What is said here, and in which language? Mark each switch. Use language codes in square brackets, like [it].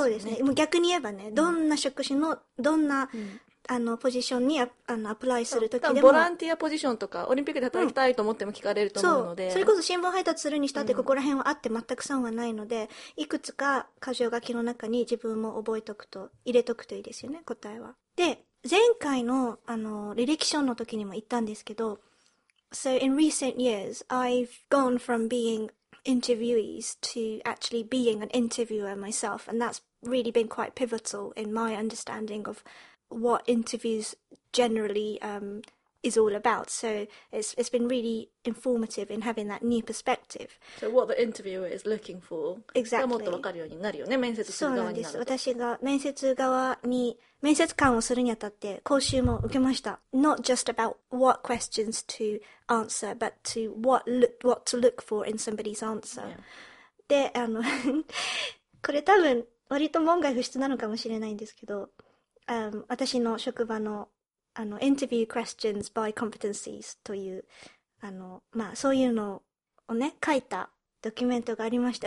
[ja] そうですね、もう逆に言えばね、どんな職種のどんな、うん、あのポジションにアプライするときでも、ボランティアポジションとかオリンピックで働きたいと思っても聞かれると思うので、うん、それこそ新聞配達するにしたってここら辺はあって全く損はないので、うん、いくつか箇条書きの中に自分も覚えとくと入れとくといいですよね、答えは。で前回の履歴書の時にも言ったんですけど、 [en] So in recent years, I've gone from being interviewees to actually being an interviewer myself, and that's really been quite pivotal in my understanding of what interviews generally, is all about. So it's been really informative in having that new perspective. So what the interviewer is looking for. Exactly. [ja] もっとわかるようになるよね、面接する側になると。私が面接側に、面接官をするにあたって講習も受けました。 [en] Not just about what questions to answer, but to what to look for in somebody's answer.、Yeah. [ja] で、これ多分割と門外不出なのかもしれないんですけど、私の職場のインタビュー [en] questions by competencies [ja] という、まあ、そういうのをね、書いたドキュメントがありました。